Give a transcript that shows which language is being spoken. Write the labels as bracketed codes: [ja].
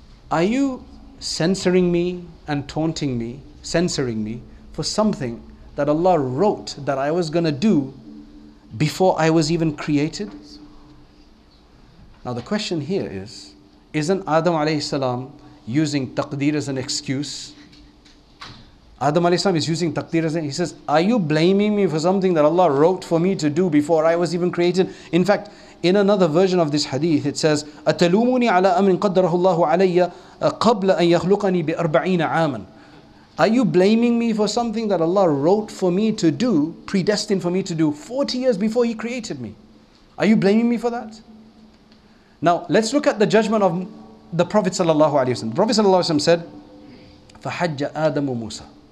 [en] Are you censoring me and taunting me, censoring me for something that Allah wrote that I was going to do before I was even created? Now the question here is, isn't Adam alayhi salam using taqdeer as an excuse? Adam alayhi salam is using taqdeer as an excuse. He says, are you blaming me for something that Allah wrote for me to do before I was even created? In fact, in another version of this hadith, it says, [ar] أَتَلُومُونِ عَلَىٰ أَمْرٍ قَدَّرَهُ اللَّهُ عَلَيَّ قَبْلَ أَنْ يَخْلُقَنِي بِأَرْبَعِينَ عَامًا. [en] Are you blaming me for something that Allah wrote for me to do, predestined for me to do 40 years before He created me? Are you blaming me for that? Now, let's look at the judgment of the Prophet sallallahu alayhi wa sallam. The Prophet sallallahu alayhi wa sallam said, [ar] فَحَجَّ آدَمُ مُوسَى.